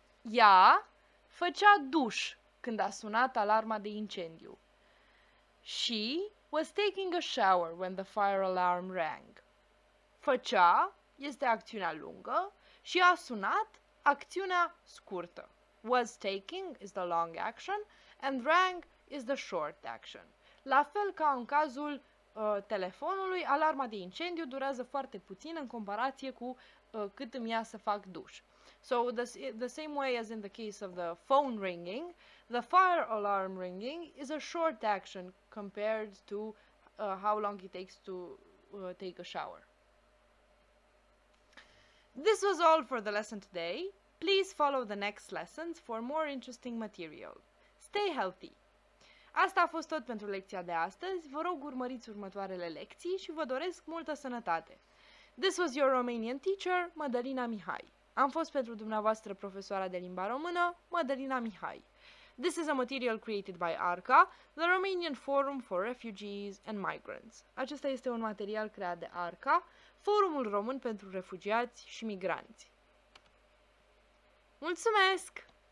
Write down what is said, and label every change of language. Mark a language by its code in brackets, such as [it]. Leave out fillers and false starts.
[ro] Ea făcea duș când a sunat alarma de incendiu. [en] She was taking a shower when the fire alarm rang. [ro] Făcea este acțiunea lungă și a sunat acțiunea scurtă. [en] Was taking is the long action and rang is the short action. [ro] La fel ca în cazul telefonului, alarma de incendiu durează foarte puțin în comparație cu cât îmi ia să fac duș. [en] So the same way as in the case of the phone ringing, the fire alarm ringing is a short action compared to how long it takes to take a shower. This was all for the lesson today. Please follow the next lessons for more interesting material. Stay healthy! [ro] Asta a fost tot pentru lecția de astăzi. Vă rog urmăriți următoarele lecții și vă doresc multă sănătate. [en] This was your Romanian teacher, Mădălina Mihai. [ro] Am fost pentru dumneavoastră profesoara de limba română, Mădălina Mihai. This is a material created by ARCA, the Romanian Forum for Refugees and Migrants. Acesta este un material creat de ARCA, Forumul Român pentru Refugiați și Migranți. Mulțumesc!